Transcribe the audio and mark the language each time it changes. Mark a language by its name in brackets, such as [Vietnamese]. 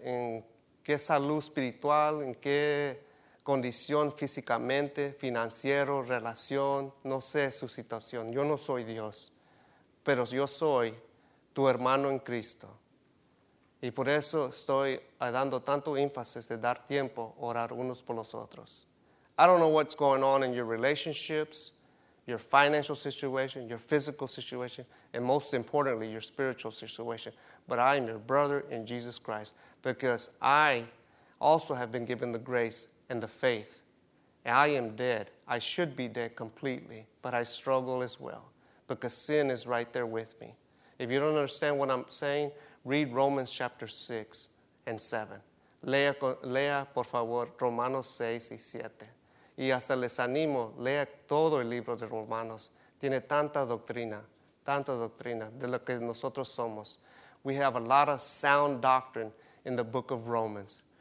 [Spanish] ¿En qué salud espiritual? ¿En qué condición físicamente, financiero, relación? No sé su situación. Yo no soy Dios. Pero yo soy tu hermano en Cristo. Y por eso estoy dando tanto énfasis de dar tiempo a orar unos por los otros. [English] I don't know what's going on in your relationships, your financial situation, your physical situation, and most importantly, your spiritual situation. But I am your brother in Jesus Christ because I also have been given the grace and the faith. And I am dead. I should be dead completely, but I struggle as well because sin is right there with me. If you don't understand what I'm saying, read Romans chapter 6 and 7. [Spanish] Lea, por favor, Romanos 6 y 7. Y hasta les animo, lea todo el libro de Romanos. Tiene tanta doctrina, tanta doctrina de lo que nosotros somos. [English] We have a lot of sound doctrine in the book of Romans.